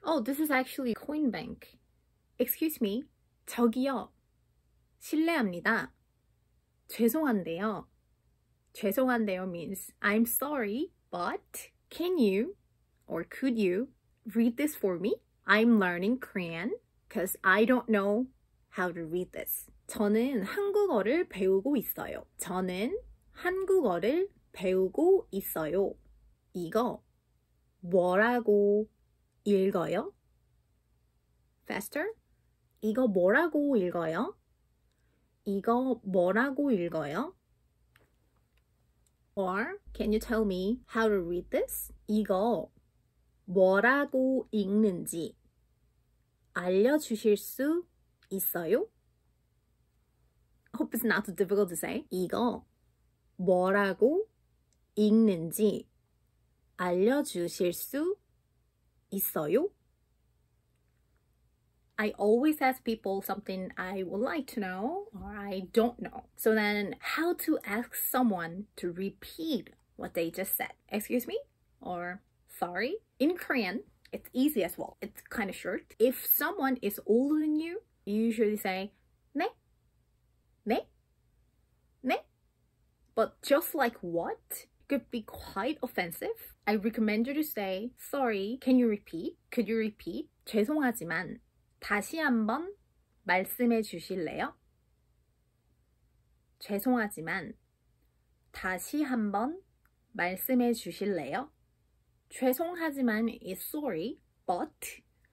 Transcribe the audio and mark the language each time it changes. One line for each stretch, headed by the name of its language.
English: Oh, this is actually coin bank. Excuse me,
Korean: 저기요. 실례합니다. 죄송한데요. 죄송한데요
English: means I'm sorry, but can you or could you read this for me? I'm learning Korean because I don't know how to read this.
Korean: 저는 한국어를 배우고 있어요. 저는 한국어를 배우고 있어요. 이거 뭐라고 읽어요?
English: Faster.
Korean: 이거 뭐라고 읽어요? 이거 뭐라고 읽어요?
English: Or can you tell me how to read this?
Korean: 이거 뭐라고 읽는지 알려주실 수 있어요?
English: Hope it's not too difficult to say. 이거 뭐라고 읽는지 알려주실 수 있어요? I always ask people something I would like to know or I don't know. So then how to ask someone to repeat what they just said? Excuse me? Or sorry? In Korean, it's easy as well. It's kind of short. If someone is older than you, you usually say
Korean: 네, 네, 네.
English: But just like what could be quite offensive, I recommend you to say sorry, can you repeat? Could you repeat?
Korean: 죄송하지만 다시 한번 말씀해 주실래요? 죄송하지만 다시 한번 말씀해 주실래요? 죄송하지만
English: is sorry, but